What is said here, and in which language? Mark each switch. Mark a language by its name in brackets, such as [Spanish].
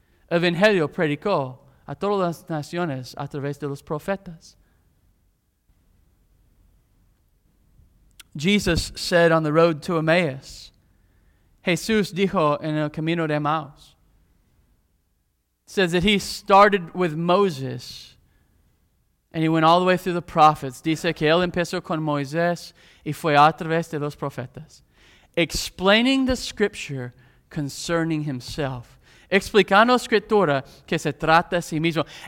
[Spanish] Evangelio predicó a todas las naciones a través de los profetas. [English] Jesus said on the road to Emmaus, [Spanish] Jesús dijo en el camino de Emmaus, [English] says that he started with Moses and he went all the way through the prophets. [Spanish] Dice que él empezó con Moisés y fue a través de los profetas. [English] Explaining the scripture concerning himself. [Spanish] Explicando escritura que se trata a sí mismo.